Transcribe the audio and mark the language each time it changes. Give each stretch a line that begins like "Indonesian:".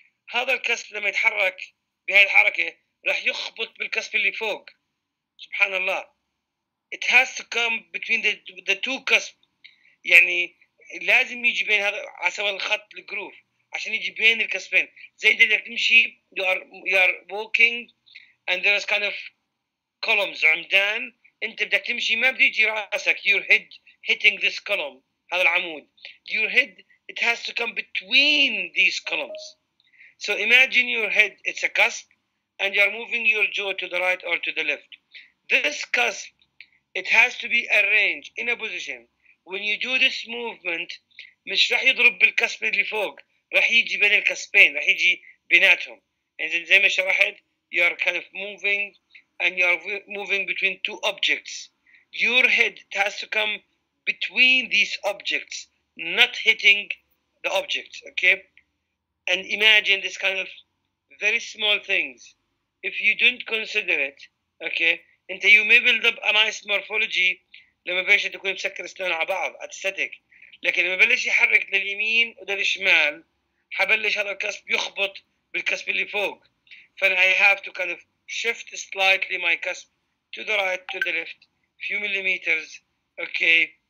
Arabic: هذا الكسب لما يتحرك بهاي الحركة رح يخبط بالكسب اللي فوق. سبحان الله.
English: It has to come between the two cusps.
Arabic: يعني لازم يجي بين هذا عسوى الخط الجروف عشان يجي بين الكسبين. زي إذا تمشي
English: you are walking and there is kind of columns عمدان.
Arabic: أنت بدك تمشي ما بدي يجي رأسك
English: your head hitting this column
Arabic: هذا العمود.
English: Your head it has to come between these columns. So imagine your head it's a cusp and you are moving your jaw to the right or to the left. This cusp it has to be arranged in a position. When you do this movement,
Arabic: مش راح يضرب بالكسب اللي فوق. راح يجي بين الكسبين. راح يجي بيناتهم.
English: And
Arabic: زي ما شرحت,
English: you are kind of moving, and you are moving between two objects. Your head has to come between these objects, not hitting the objects. Okay? And imagine this kind of very small things. If you don't consider it, okay?
Arabic: انت
English: you may build up a nice morphology
Arabic: لما بلش تكون مسكر اسنانه على بعض aesthetic, لكن لما بلش يحرك لليمين ولا للشمال حبلش هذا الكسب يخبط بالكسب اللي فوق.
English: فانا I have to kind of shift slightly my cusp to the right, to the left, few millimeters, okay.